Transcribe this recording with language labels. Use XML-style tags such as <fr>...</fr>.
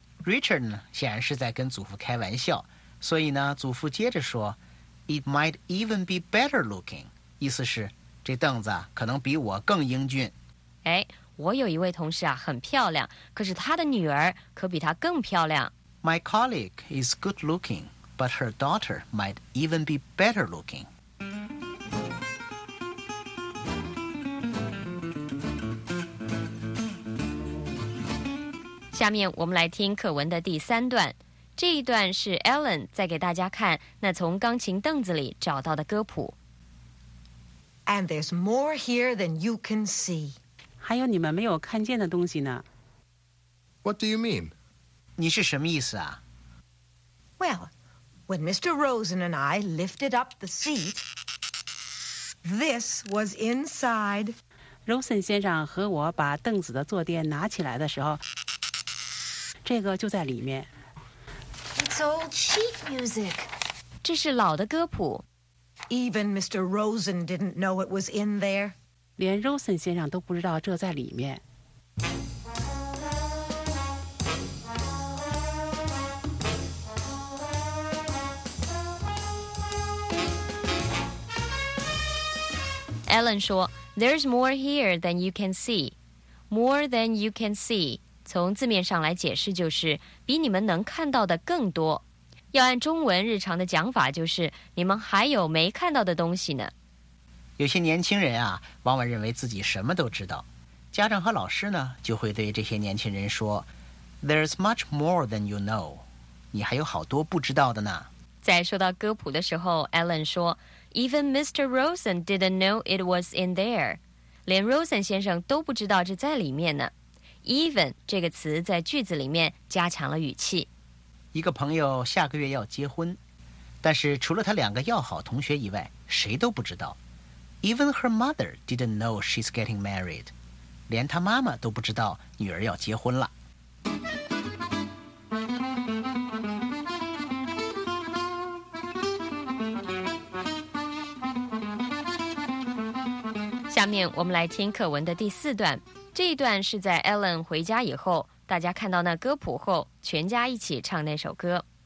<zh>Richard 呢显然是在跟祖父开玩笑，所以呢祖父接着说</zh> <en>it might even be better looking，</en> <zh>意思是这凳子可能比我更英俊。哎，我有一位同事啊很漂亮，可是她的女儿可比她更漂亮。</zh> <en>My colleague is good looking but her daughter might even be better looking。</en> <zh>下面我们来听课文的第三段，这一段是 Ellen 在给大家看那从钢琴凳子里找到的歌谱。</zh> <en>And there's more here than you can see，</en> <zh>还有你们没有看见的东西呢。</zh> <en>What do you mean?</en> <zh>你是什么意思啊？</zh> <en>Well, when Mr. Rosen and I lifted up the seat, this was inside.</en> <zh>Rosen 先生和我把凳子的坐垫拿起来的时候，这个就在里面。</zh> <en>It's old sheet music.</en> <zh>这是老的歌谱。</zh> <en>Even Mr. Rosen didn't know it was in there.</en> <zh>连 Rosen 先生都不知道这在里面。</zh> <en>Ellen 说 There's more here than you can see. More than you can see，</en> <zh>从字面上来解释就是比你们能看到的更多，要按中文日常的讲法就是你们还有没看到的东西呢。有些年轻人啊往往认为自己什么都知道，家长和老师呢就会对这些年轻人说</zh> <en>There's much more than you know，</en> <zh>你还有好多不知道的呢。在说到歌谱的时候， Ellen 说</zh> <en>Even Mr. Rosen didn't know it was in there，</en> <zh>连 Rosen 先生都不知道这在里面呢。 Even 这个词在句子里面加强了语气。一个朋友下个月要结婚，但是除了他两个要好同学以外谁都不知道。</zh> <en>Even her mother didn't know she's getting married.</en> <zh>连她妈妈都不知道女儿要结婚了。下面我们来听课文的第四段。这一段是在 Ellen 回家以后，大家看到那歌谱后，全家一起唱那首歌。</zh>